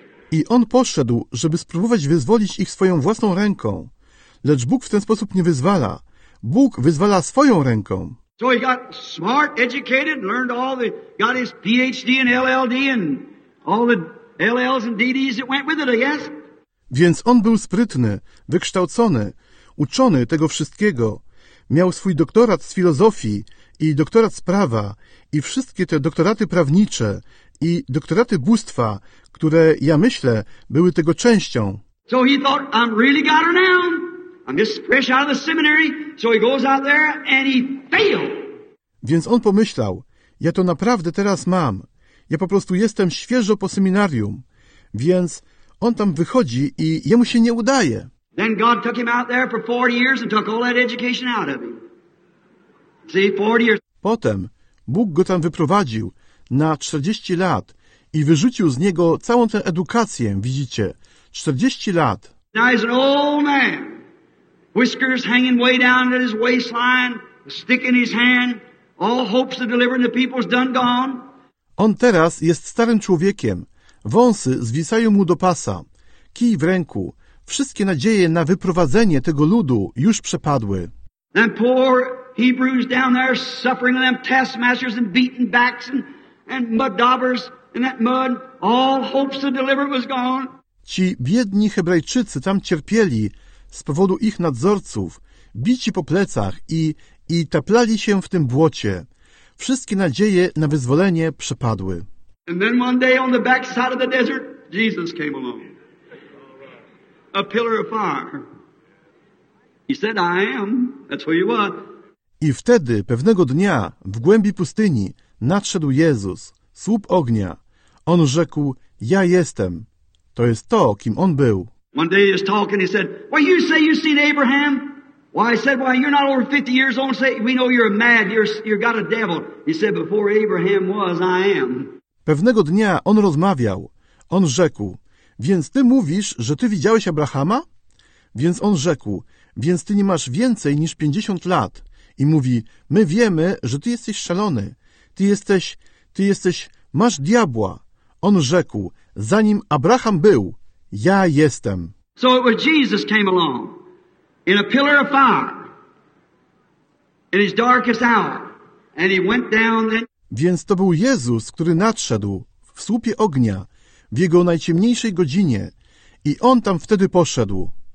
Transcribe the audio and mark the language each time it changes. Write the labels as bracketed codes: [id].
[pl] I on poszedł, żeby spróbować wyzwolić ich swoją własną ręką. Lecz Bóg w ten sposób nie wyzwala. Bóg wyzwala swoją ręką. [en] So he got smart, educated, learned all the, got his PhD and LLD and all the LLs and DDs that went with it, I guess. [pl] Więc on był sprytny, wykształcony, uczony tego wszystkiego. Miał swój doktorat z filozofii i doktorat z prawa i wszystkie te doktoraty prawnicze i doktoraty bóstwa, które, ja myślę, były tego częścią. [en] So he thought, I'm really got her now. I'm just fresh out of the seminary. So he goes out there and he failed. [pl] Więc on pomyślał, ja to naprawdę teraz mam. Ja po prostu jestem świeżo po seminarium, więc on tam wychodzi i jemu się nie udaje. [en] Then God took him out there for 40 years and took all that education out of him. See, 40 years. [pl] Potem Bóg go tam wyprowadził na 40 lat i wyrzucił z niego całą tę edukację, widzicie, 40 lat. [en] Now he's an old man. whiskers hanging way down at his waistline, a stick in his hand, all hopes of delivering the people is done gone. [pl] On teraz jest starym człowiekiem. Wąsy zwisają mu do pasa. Kij w ręku. Wszystkie nadzieje na wyprowadzenie tego ludu już przepadły. [en] And poor Hebrews down there suffering them taskmasters and beaten backs and mud daubers in that mud. All hopes of delivery was gone. [pl] Ci biedni Hebrajczycy tam cierpieli z powodu ich nadzorców, bici po plecach i taplali się w tym błocie. Wszystkie nadzieje na wyzwolenie przepadły. [en] And then one day on the back side of the desert, Jesus came along. A pillar of fire. He said, I am. That's who you are. [pl] I wtedy, pewnego dnia, w głębi pustyni, nadszedł Jezus, słup ognia. On rzekł, ja jestem. To jest to, kim on był. [en] One day he was talking, he said, well, you say you've seen Abraham? Well, I said, well, you're not over 50 years old. Say, we know you're mad, you're got a devil. He said, before Abraham was, I am. [pl] Pewnego dnia on rozmawiał. On rzekł, więc ty mówisz, że ty widziałeś Abrahama? Więc on rzekł, więc ty nie masz więcej niż 50 lat. I mówi, my wiemy, że ty jesteś szalony. Ty jesteś, masz diabła. On rzekł, zanim Abraham był, ja jestem. [en] So it was Jesus came along in a pillar of fire in his darkest hour. And he went down then. [pl] Więc to był Jezus, który nadszedł w słupie ognia w jego najciemniejszej godzinie i on tam wtedy poszedł.